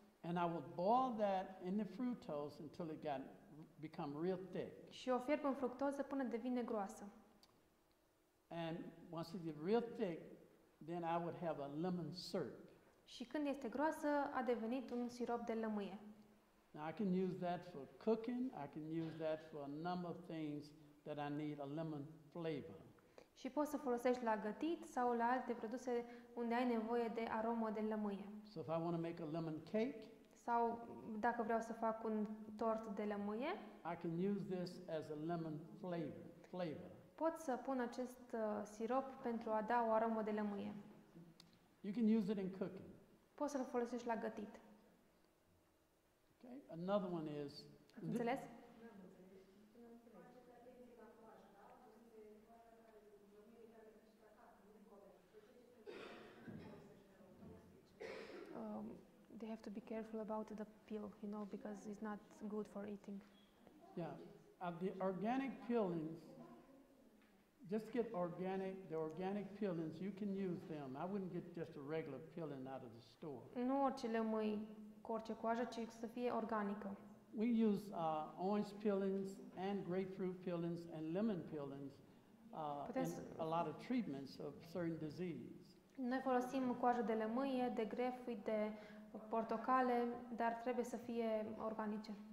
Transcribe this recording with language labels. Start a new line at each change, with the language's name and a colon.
English: And I will boil that in the fructose until it got become real thick.
Romanian: Și o fierb în fructoză până devine groasă.
English: And once it's real thick, then I would have a lemon syrup.
Romanian: Și când este groasă, a devenit un sirop de lămâie.
English: Now I can use that for cooking. I can use that for a number of things that I need a lemon flavor.
Romanian: Și poți să folosești la gătit sau la alte produse unde ai nevoie de aromă de lămâie.
English: So if I want to make a lemon cake,
Romanian: sau dacă vreau să fac un tort de lămâie,
English: I can use this as a lemon flavor.
Romanian: Pot să pun acest sirop pentru a da o aromă de lămâie.
English: You can use it in cooking.
Romanian: Poți să-l folosești la gătit.
English: Okay. Another one is.
Romanian: Înțeles?
English: They have to be careful about the peel, you know, because it's not good for eating. Yeah, the organic peelings. Just get organic, the organic peelings, you can use them. I wouldn't get just a regular peeling out of the store.
Romanian: Nu orice lămâi cu orice coajă, ci să fie organică.
English: We use orange peelings and grapefruit peelings and lemon peelings in a lot of treatments of certain diseases.
Romanian: Noi folosim coajă de lămâie, de grefui, de portocale, dar trebuie să fie organice.